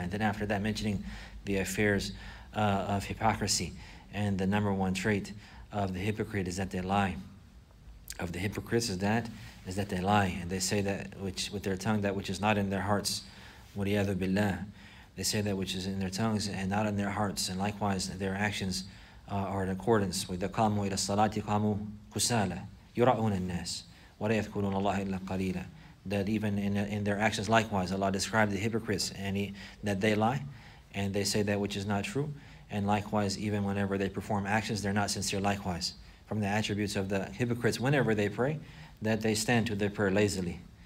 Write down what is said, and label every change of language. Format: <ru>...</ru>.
<en>And then after that, mentioning the affairs of hypocrisy, and the number one trait of the hypocrite is that they lie. Of the hypocrites is that they lie, and they say that which with their tongue that which is not in their hearts.</en> <ar>وَلِيَذُ بِاللَّهِ.</ar> <en>They say that which is in their tongues and not in their hearts. And likewise, their actions are in accordance with the</en> <ar>قَامُوا إِلَى الصَّلَاةِ قَامُوا كُسَالَ يُرَعُونَ النَّاسِ وَلَا يَذْكُرُونَ اللَّهَ إِلَّا قَلِيلًا.</ar> <en>That even in their actions, likewise, Allah described the hypocrites, and that they lie, and they say that which is not true. And likewise, even whenever they perform actions, they're not sincere likewise. From the attributes of the hypocrites, whenever they pray, that they stand to their prayer lazily.</en>